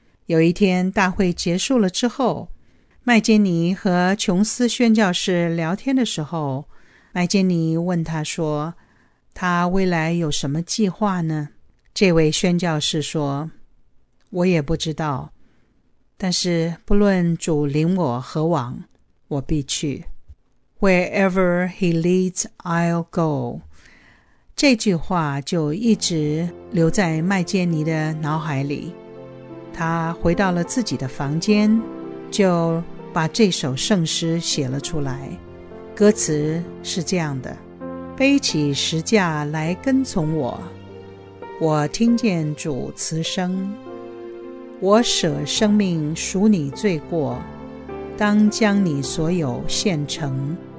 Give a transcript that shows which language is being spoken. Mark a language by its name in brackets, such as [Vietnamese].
[Chinese] 有一天大会结束了之后，麦杰尼和琼斯宣教士聊天的时候，麦杰尼问他说，他未来有什么计划呢？这位宣教士说，我也不知道，但是不论主领我何往，我必去。 [English] Wherever he leads, I'll go。 [Chinese] 这句话就一直留在麦杰尼的脑海里。他回到了自己的房间，就把这首圣诗写了出来。歌词是这样的，背起十架来跟从我，我听见主慈声，我舍生命赎你罪过，当将你所有献成。